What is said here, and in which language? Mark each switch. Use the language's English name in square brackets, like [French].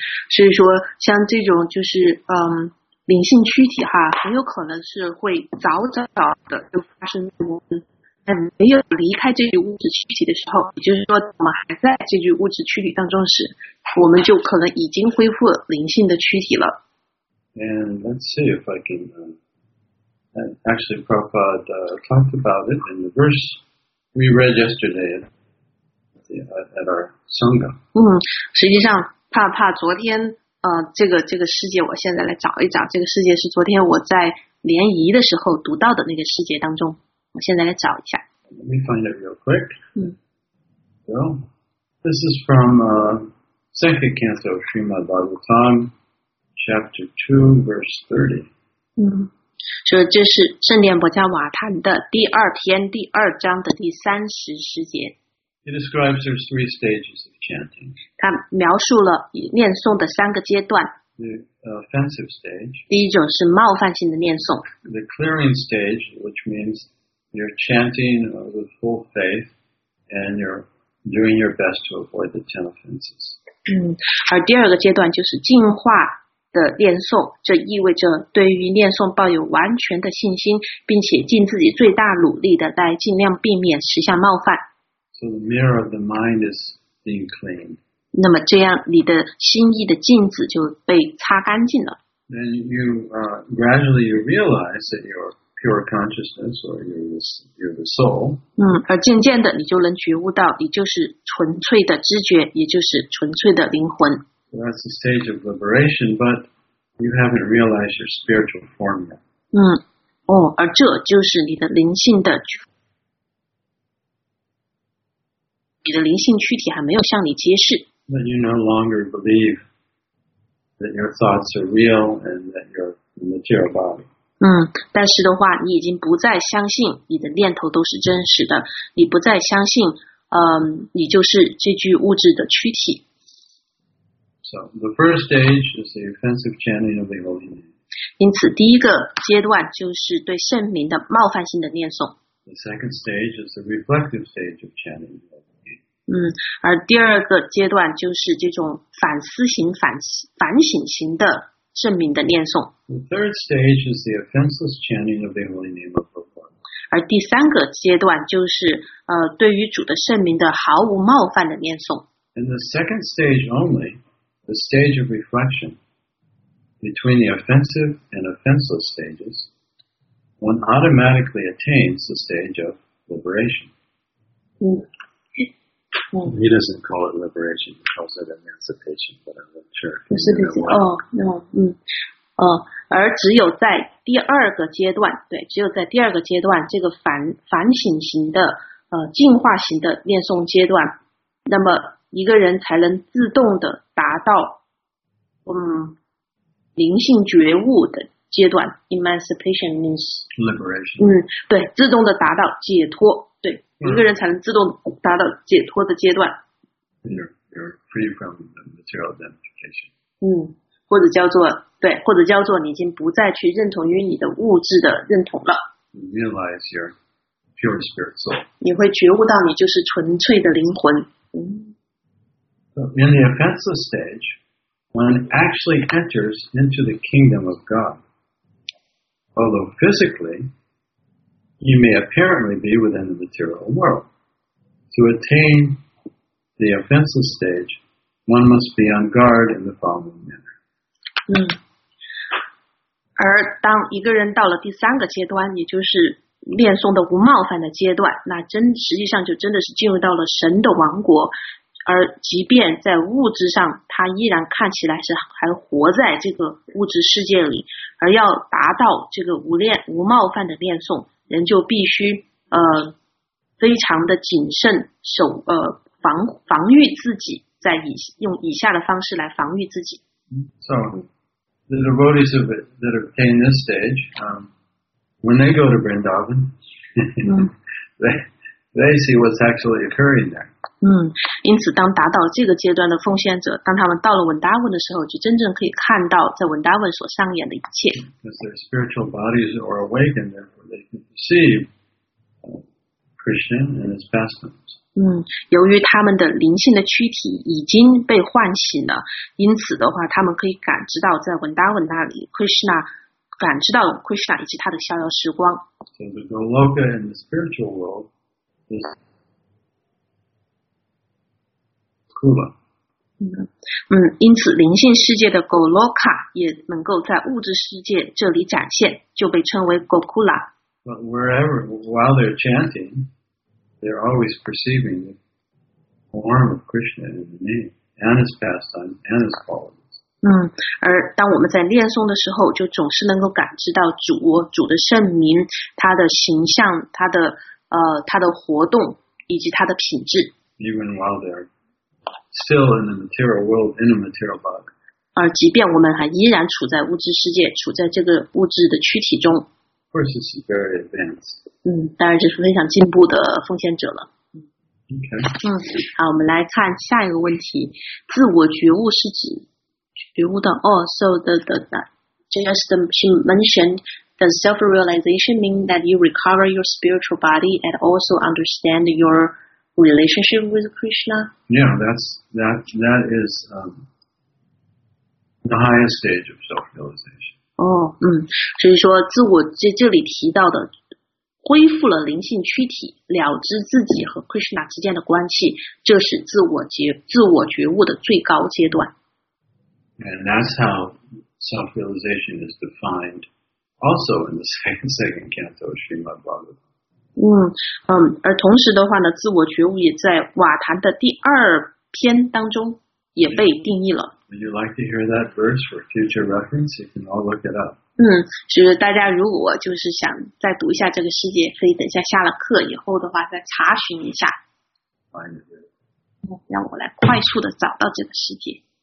[Chinese] 所以说像这种就是灵性躯体哈，很有可能是会早早的就发生在我们还没有离开这具物质躯体的时候，也就是说我们还在这具物质躯体当中时，我们就可能已经恢复了灵性的躯体了。 [English] And let's see if I can actually Prabhupada talked about it in the verse we read yesterday at our Sangha. [Chinese] 实际上帕帕昨天这个世界，我现在来找一找，这个世界是昨天我在联谊的时候读到的那个世界当中，我现在来找一下。 [English] Let me find it real quick. Well, this is from Second Canto of Srimad Bhagavatam, chapter 2, verse 30. [Chinese] 所以这是圣典薄伽瓦坛的第二篇第二章的第三十十节。 [English] He describes there's three stages of chanting. [Chinese] 他描述了念诵的三个阶段。 [English] The offensive stage. [Chinese] 第一种是冒犯性的念诵。 [English] The clearing stage, which means you're chanting with full faith and you're doing your best to avoid the ten offenses. [Chinese] 而第二个阶段就是净化的念诵，这意味着对于念诵抱有完全的信心，并且尽自己最大努力的在尽量避免十项冒犯。 [English] So the mirror of the mind is being cleaned. [Chinese] 那么这样你的心意的镜子就被擦干净了。 [English] Then you, gradually you realize that you're pure consciousness or you're the soul. [Chinese] 而渐渐的你就能觉悟到你就是纯粹的知觉，也就是纯粹的灵魂。 [English] So that's the stage of liberation, but you haven't realized your spiritual form yet. [Chinese] 而这就是你的灵性的觉悟。你的灵性躯体还没有向你揭示。 [English] But you no longer believe that your thoughts are real and that you're material body. [Chinese] 但是的话，你已经不再相信你的念头都是真实的，你不再相信，你就是这具物质的躯体。 [English] So the first stage is the offensive chanting of the holy name. [Chinese] 因此，第一个阶段就是对圣名的冒犯性的念诵。 [English] The second stage is the reflective stage of chanting. [Chinese] 而第二个阶段就是这种反思型、反省型的圣名的念诵。 [English] The third stage is the offenseless chanting of the holy name of Prabhupada. [Chinese] 而第三个阶段就是对于主的圣名的毫无冒犯的念诵。 [English] In the second stage only, the stage of reflection, between the offensive and offenseless stages, one automatically attains the stage of liberation. He doesn't call it liberation, he calls it emancipation, but I'm not sure. Oh, no. [Chinese] 而只有在第二个阶段，对，只有在第二个阶段，这个反省型的进化型的念诵阶段，那么一个人才能自动的达到灵性觉悟的阶段。 [English] Emancipation means liberation. [Chinese] 对，自动的达到解脱，对，一个人才能自动达到解脱的阶段。 [English] You're free from the material identification. [Chinese] 或者叫做，对，或者叫做你已经不再去认同于你的物质的认同了。 [English] You realize your pure spirit soul. [Chinese] 你会觉悟到你就是纯粹的灵魂。 [English] In the offenseless stage, one actually enters into the kingdom of God. Although physically, he may apparently be within the material world. To attain the offenseless stage, one must be on guard in the following manner. [Chinese] 而当一个人到了第三个阶段，也就是念诵的无冒犯的阶段，那真实际上就真的是进入到了神的王国。而即便在物质上，他依然看起来是还活在这个物质世界里，而要达到这个无冒犯的念诵，人就必须非常的谨慎，防御自己，在用以下的方式来防御自己。 [English] So the devotees of it that attain this stage, when they go to Vrindavan, they see what's actually occurring there. [Chinese] 因此当达到这个阶段的奉献者，当他们到了文达文的时候，就真正可以看到在文达文所上演的一切。 [English] Because their spiritual bodies are awakened, therefore they can perceive Krishna and his pastimes. [Chinese] 由于他们的灵性的躯体已经被唤醒了，因此的话，他们可以感知到在文达文那里 Krishna， 感知到 Krishna 以及他的逍遥时光。 [English] So the Goloka in the spiritual world is. [Chinese] 因此灵性世界的 Goloka 也能够在物质世界这里展现，就被称为 Gokula。 [English] But wherever, while they're chanting, they're always perceiving the form of Krishna in the name, and his pastime, and his qualities. [Chinese] 而当我们在念诵的时候，就总是能够感知到主的圣名，他的形象，他的活动，以及他的品质。 [English] Even while they're still in the material world, in a material body. [Chinese] 而即便我们还依然处在物质世界，处在这个物质的躯体中。 [English] Of course, this is very advanced. [Chinese] 当然这是非常进步的奉献者了。 [English] Okay. [Chinese] 好，我们来看下一个问题。自我觉悟是指觉悟的。 [English] Oh, so she mentioned, does self-realization mean that you recover your spiritual body and also understand your... relationship with Krishna? Yeah, that is the highest stage of self-realization. [Chinese] 所以说自我这里提到的恢复了灵性躯体，了知自己和 Krishna 之间的关系，这是自我觉悟的最高阶段。 [English] And that's how self-realization is defined also in the second canto of Srimad Bhagavatam. [Chinese] 而同时的话呢，自我觉悟也在瓦坛的第二篇当中也被定义了。 [English] Would you like to hear that verse for future reference? You can all look it up. [Chinese] 是大家如果就是想再读一下这个世界，可以等一下下了课以后的话再查询一下。 [English] Find it. [Chinese] 让我来快速的找到这个世界。